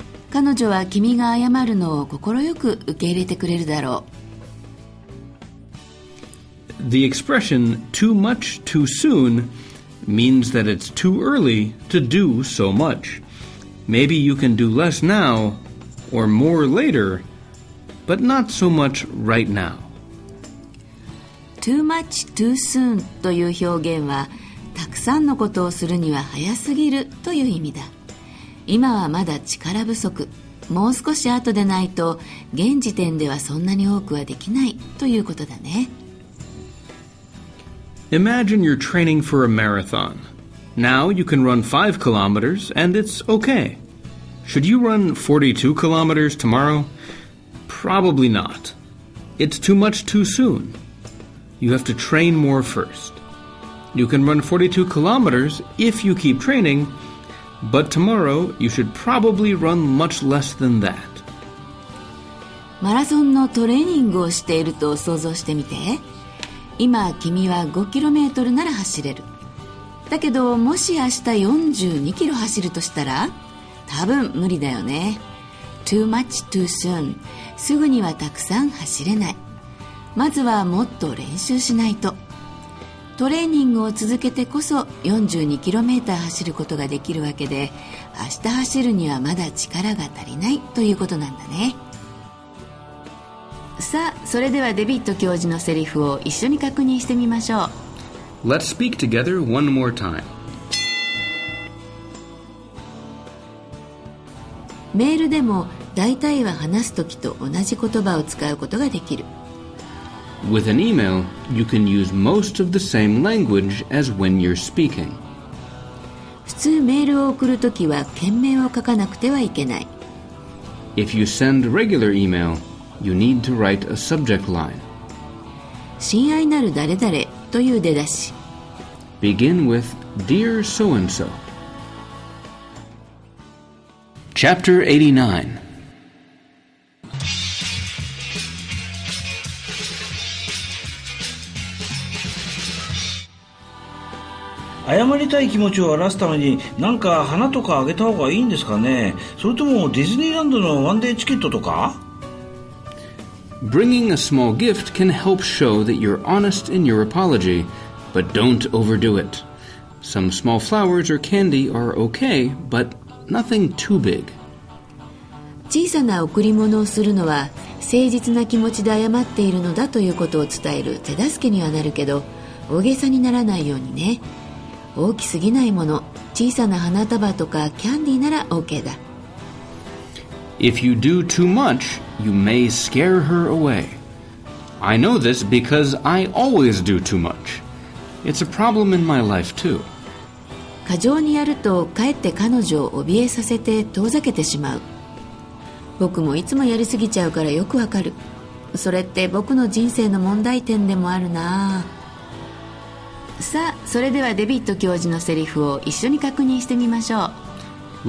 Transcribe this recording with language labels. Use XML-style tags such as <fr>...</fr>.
<ja>彼女は君が謝るのを心よく受け入れてくれるだろう。</ja> <en>The expression too much too soon means that it's too early to do so much. Maybe you can do less now or more later, but not so much right now. Too much too soon</en> <ja>という表現は、たくさんのことをするには早すぎるという意味だ。今はまだ力不足、もう少し後でないと現時点ではそんなに多くはできないということだね。</ja> <en>Imagine you're training for a marathon. Now you can run 5 kilometers and it's okay. Should you run 42 kilometers tomorrow? Probably not. It's too much too soonYou have to train more first. You can run 42 kilometers if you keep training, but tomorrow you should probably run much less than that.</en> <ja>マラソンのトレーニングをしていると想像してみて。今君は5キロメートルなら走れる。だけどもし明日42キロ走るとしたら、多分無理だよね。</ja> <en>Too much too soon.</en> <ja>すぐにはたくさん走れない。まずはもっと練習しないと。トレーニングを続けてこそ42キロメーター走ることができるわけで、明日走るにはまだ力が足りないということなんだね。さあ、それではデビット教授のセリフを一緒に確認してみましょう。</ja> <en>Let's speak together one more time.</en> <ja>メールでも大体は話すときと同じ言葉を使うことができる。</ja> <en>With an email, you can use most of the same language as when you're speaking.</en> <ja>普通メールを送るときは件名を書かなくてはいけない。</ja> <en>If you send regular email, you need to write a subject line.</en> <ja>親愛なる誰々という出だし。</ja> <en>Begin with Dear So-and-so. Chapter 89</en> <ja>謝りたい気持ちを表すために何か花とかあげた方がいいんですかね。それともディズニーランドのワンデーチケットとか。</ja> <en>Bringing a small gift can help show that you're honest in your apology, but don't overdo it. Some small flowers or candy are okay, but nothing too big.</en> <ja>小さな贈り物をするのは誠実な気持ちで謝っているのだということを伝える手助けにはなるけど、大げさにならないようにね。大きすぎないもの、小さな花束とかキャンディーなら OK だ。</ja> <en>If you do too much, you may scare her away. I know this because I always do too much. It's a problem in my life too.</en> <ja>過剰にやるとかえって彼女を怯えさせて遠ざけてしまう。僕もいつもやりすぎちゃうからよくわかる。それって僕の人生の問題点でもあるな。さあ、それではデビット教授のセリフを一緒に確認してみましょう。</ja>